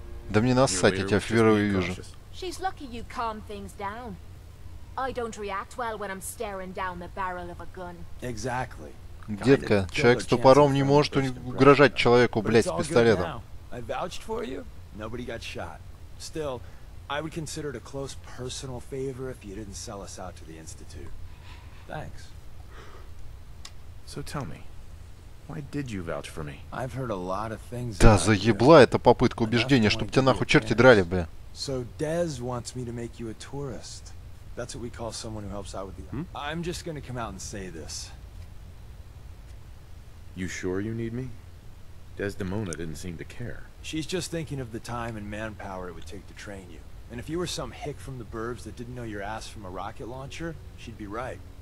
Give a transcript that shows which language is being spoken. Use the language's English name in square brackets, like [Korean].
[Russian] Да мне нассать, я тебя впервые вижу. [English] She's lucky you calm things down. I don't react well when I'm staring down the barrel of a gun. Exactly. [Russian] Детка, человек с топором не может угрожать человеку, блять, с пистолетом. [English] I vouched for you. Nobody got shot. Still, I would consider it a close personal favor if you didn't sell us out to the institute. Thanks. So tell me, why did you vouch for me? I've heard a lot of things. [Russian] Да заебла эта попытка убеждения, чтобы тебя нахуй черти драли, бля. [English] So Dez wants me to make you a tourist. That's what we call someone who helps out with the... Hmm? I'm just gonna come out and say this. You sure you need me? Desdemona didn't seem to care. She's just thinking of the time and manpower it would take to train you. And if you were some hick from the burbs that didn't know your ass from a rocket launcher, she'd be right.